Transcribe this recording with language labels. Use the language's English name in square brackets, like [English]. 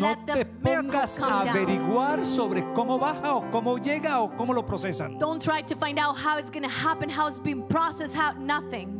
[Spanish] no [English] let the miracle come down. [Spanish] No te pongas a averiguar sobre cómo baja o cómo llega o cómo lo procesan. [English] Don't try to find out how it's going to happen, how it's being processed, how nothing.